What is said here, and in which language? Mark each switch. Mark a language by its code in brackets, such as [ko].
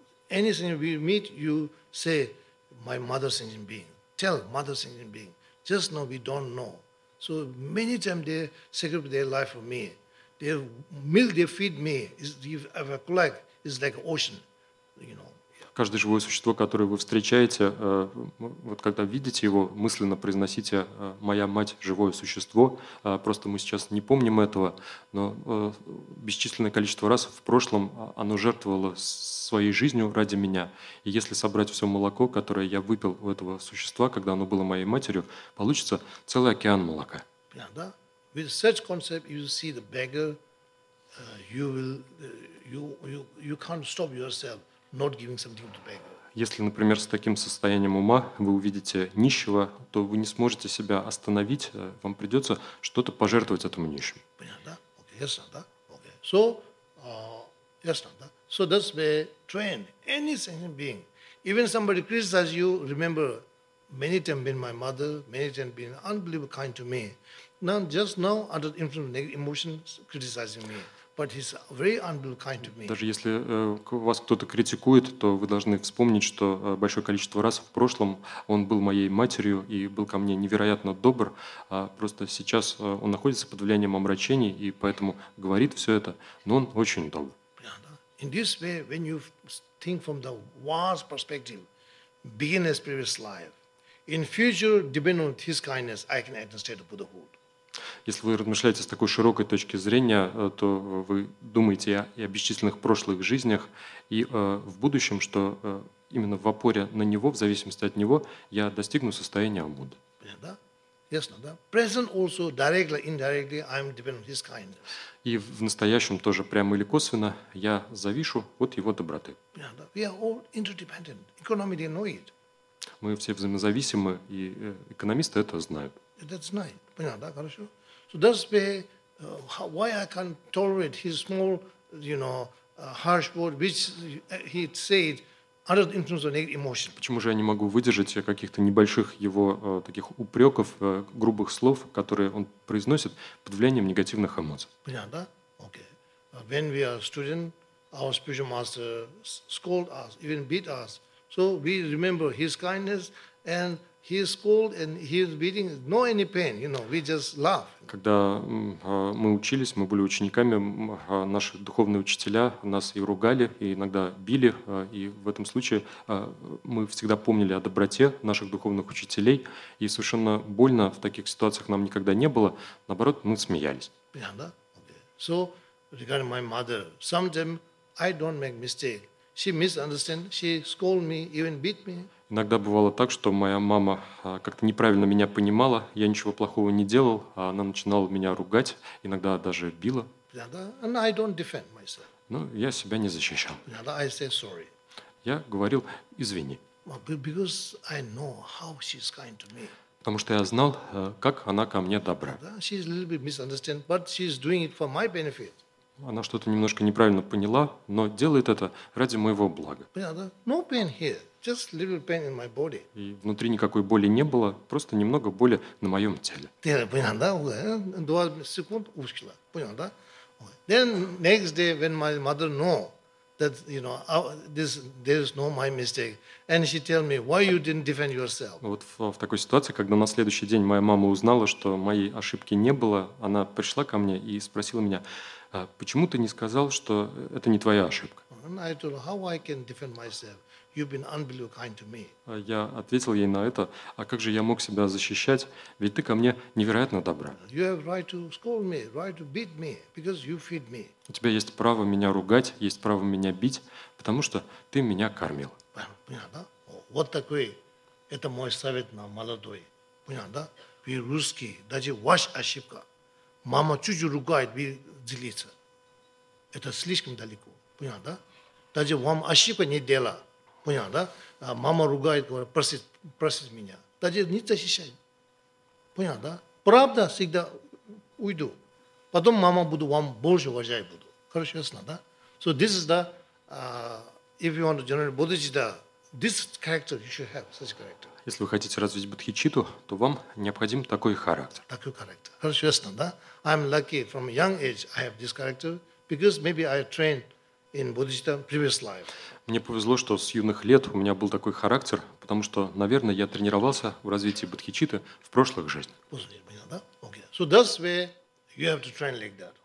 [en] Anything we meet, you say, my mother sentient being. Tell mother sentient being. Just know we don't know. So many times they sacrifice their life for me. Their milk they feed me is if I collect is like ocean, you know. [ru] Каждое живое существо, которое вы встречаете, вот когда видите его, мысленно произносите «Моя мать – живое существо». Просто мы сейчас не помним этого, но бесчисленное количество раз в прошлом оно жертвовало своей жизнью ради меня. И если собрать все молоко, которое я выпил у этого существа, когда оно было моей матерью, получится целый океан молока. Да. [en] With such concept, you see the beggar, you will, you can't stop yourself. Not giving something to beggar. [ru] Если, например, с таким состоянием ума вы увидите нищего, то вы не сможете себя остановить, вам придется что-то пожертвовать этому нищему. Понятно? Okay, ясно, да? Okay. So, ясно, да? [en] So that's where train any sentient being. Even somebody criticizes you, remember, many times been my mother, many times been unbelievably kind to me. Now, just now, under the influence of negative emotions, criticizing me. But he's very unbelievably kind to me. [ru] Даже если вас кто-то критикует, то вы должны вспомнить, что большое количество раз в прошлом он был моей матерью и был ко мне невероятно добр. Просто сейчас он находится под влиянием омрачений и поэтому говорит все это, но он очень добр. [en] In this way, when you think from the vast perspective, begin as previous life, in future, depending on his kindness, I can attain state of Buddhahood. [ru] Если вы размышляете с такой широкой точки зрения, то вы думаете и о бесчисленных прошлых жизнях, и в будущем, что именно в опоре на него, в зависимости от него, я достигну состояния Будды. Да? Ясно, да? [en] Present also, directly, indirectly, I'm dependent on his kindness. [ru] И в настоящем тоже, прямо или косвенно, я завишу от его доброты. Да? [en] We are all interdependent. Economy, they know it. [ru] Мы все взаимозависимы, и экономисты это знают. [en] That's right. [ru] Понятно, да? Хорошо. [en] So that's why, why I can't tolerate his small, you know, harsh word, which he said under the influence of negative emotion. [ru] Почему же я не могу выдержать каких-то небольших его таких упреков, грубых слов, которые он произносит под влиянием негативных эмоций? Понятно, да? Okay. [en] When we are student, our spiritual master scold us, even beat us. So we remember his kindness and he is cold and he is beating, no any pain, you know, we just laugh. [ru] Когда мы учились, мы были учениками, наши духовные учителя нас и ругали, и иногда били, и в этом случае мы всегда помнили о доброте наших духовных учителей, и совершенно больно в таких ситуациях нам никогда не было, наоборот, мы смеялись. Понятно, да? Okay. [en] So, regarding my mother, sometimes I don't make mistake. She misunderstand, she scold me, even beat me. [ru] Иногда бывало так, что моя мама как-то неправильно меня понимала, я ничего плохого не делал, а она начинала меня ругать, иногда даже била. [en] And I don't defend myself. [ru] Но я себя не защищал. [en] And I say sorry. [ru] Я говорил «извини». [en] Because I know how she's kind to me. [ru] Потому что я знал, как она ко мне добра. [en] She's a little bit misunderstand, but she's doing it for my benefit. [ru] Она что-то немножко неправильно поняла, но делает это ради моего блага. [en] No pain here. Just a little pain in my body. [ru] И внутри никакой боли не было, просто немного боли на моем теле. Понял, да? 20 секунд ушло. Понял, да? [en] Then next day, when my mother know that, you know, this there is no my mistake, and she tell me, why you didn't defend yourself? [ru] Вот в такой ситуации, когда на следующий день моя мама узнала, что моей ошибки не было, она пришла ко мне и спросила меня, почему ты не сказал, что это не твоя ошибка? [en] And I told her, how I can defend myself? You've been unbelievably kind to me. [ru] Я ответил ей на это, а как же я мог себя защищать? Ведь ты ко мне невероятно добра. [en] You have right to scold me, right to beat me, because you feed me. [ru] У тебя есть право меня ругать, есть право меня бить, потому что ты меня кормил. Понятно, да? Вот такой, это мой совет на молодой. Понятно, да? Вы русские, даже ваша ошибка. Мама чуть-чуть ругает, вы делитесь. Это слишком далеко. Понятно, да? Даже вам ошибка не дела. Понял, да? А мама ругает, говорит, просит меня. Даже не защищай. Понял, да? Правда, всегда уйду. Потом мама буду вам больше уважать буду. Хорошо, ясно, да? [en] So this is the, if you want to generate bodhicitta, this character you should have, such character. [ru] Если вы хотите развить бодхичитту, то вам необходим такой характер. Такой характер. Хорошо, ясно, да? [en] I'm lucky from a young age I have this character because maybe I trained in bodhicitta previous life. [ru] Мне повезло, что с юных лет у меня был такой характер, потому что, наверное, я тренировался в развитии бодхичитты в прошлых жизнях. Позвольте меня, да? Okay. [en] So that's where you have to train like that.